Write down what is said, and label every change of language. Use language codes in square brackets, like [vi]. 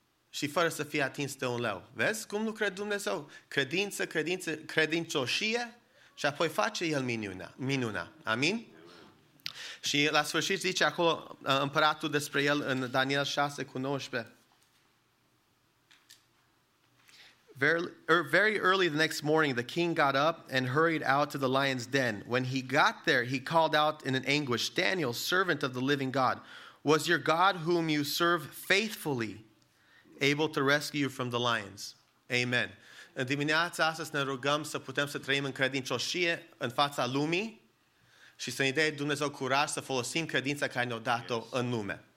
[ro] Și fără să fie atins de un leu. Vezi cum lucrează Dumnezeu? Credință, credință, credincioșie și apoi face el minunea. Amin? Și la sfârșit zice acolo împăratul despre el în Daniel 6:19. [en] Very early the next morning, the king got up and hurried out to the lion's den. When he got there, he called out in an anguish, Daniel, servant of the living God, was your God whom you serve faithfully able to rescue you from the lions? [ro] Amen. În dimineața astăzi ne rugăm să putem să trăim în credincioșie în fața lumii și să ne dea Dumnezeu curaj să folosim credința care ne-a dat-o în lume.